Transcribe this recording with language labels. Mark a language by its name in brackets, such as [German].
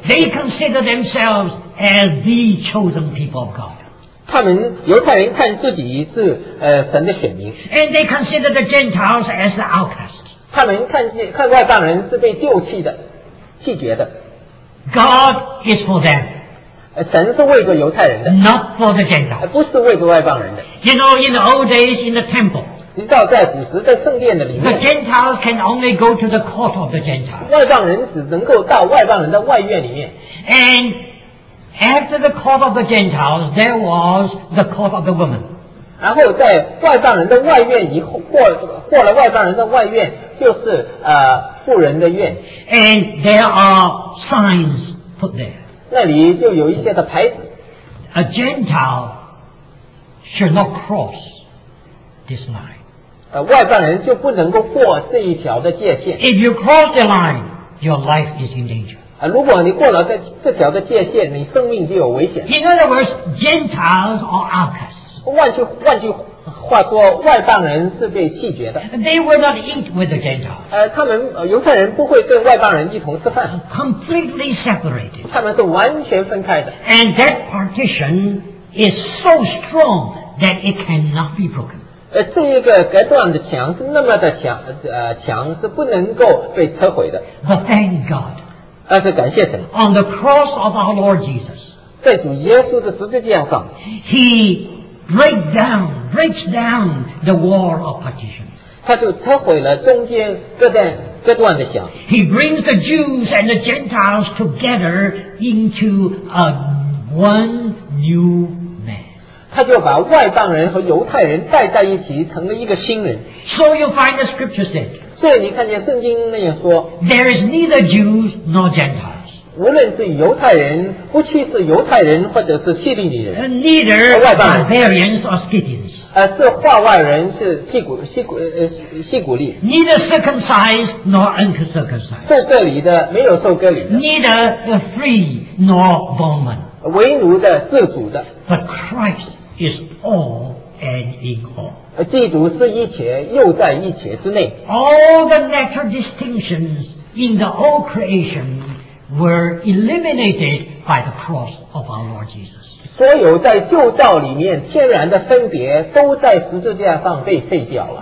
[English] They consider themselves as the chosen people of God. [Chinese] 他们犹太人看自己是神的选民。 [English] And they consider the Gentiles as the outcast. [Chinese] 他们看外邦人是被丢弃的、弃绝的。 [English] God is for them. [Chinese] 神是为着犹太人的。 [English] Not for the Gentiles. [Chinese] 不是为着外邦人的。 [English] You know, in the old days in the temple. [Chinese] 你知道在古时在圣殿的里面 [English] The Gentiles can only go to the court of the Gentiles [Chinese] 外邦人只能够到外邦人的外院里面 [English] And after the court of the Gentiles there was the court of the woman [Chinese] 然后在外邦人的外院以后 过了外邦人的外院就是妇人的院 [English] And there are signs put there [Chinese] 那里就有一些的牌子 [English] A Gentile should not crossThis line. [Chinese] 外邦人就不能够过这一条的界限。 [English] If you cross the line, your life is in danger. [Chinese] 如果你过了这条的界限，你生命就有危险。 [English] In other words, Gentiles are outcasts. [Chinese] 换句话说，外邦人是被弃绝的。 [English] They will not eat with the Gentiles. [Chinese] 他们犹太人不会跟外邦人一同吃饭。 [English] Completely separated. [Chinese] 他们是完全分开的。 [English] And that partition is so strong that it cannot be broken. [Chinese] 这一个隔断的墙是那么的强，墙是不能够被摧毁的。 [English] But thank God. [Chinese] 但是感谢神。 [English] On the cross of our Lord Jesus. [Chinese] 在主耶稣的十字架上。 [English] He breaks down the wall of partition. [Chinese] 他就摧毁了中间隔断的墙。 [English] He brings the Jews and the Gentiles together into a one new man. [Chinese] 他就把外邦人和犹太人带在一起成了一个新人 [English] So you find the scripture said [Chinese] 所以你看见圣经那样说 [English] There is neither Jews nor Gentiles [Chinese] 无论是犹太人不去是犹太人或者是希利尼人 [English] Neither barbarians or Scythians [Chinese] 是化外人是希古利 [English] Neither circumcised nor uncircumcised [Chinese] 受割礼的没有受割礼的 [English] Neither the free nor bondman [Chinese] 唯奴的自主的 [English] But Christ is all and in all [Chinese] 基督是一切又在一切之内 [English] All the natural distinctions in the old creation were eliminated by the cross of our Lord Jesus [Chinese] 所有在旧造里面天然的分别都在十字架上被废掉了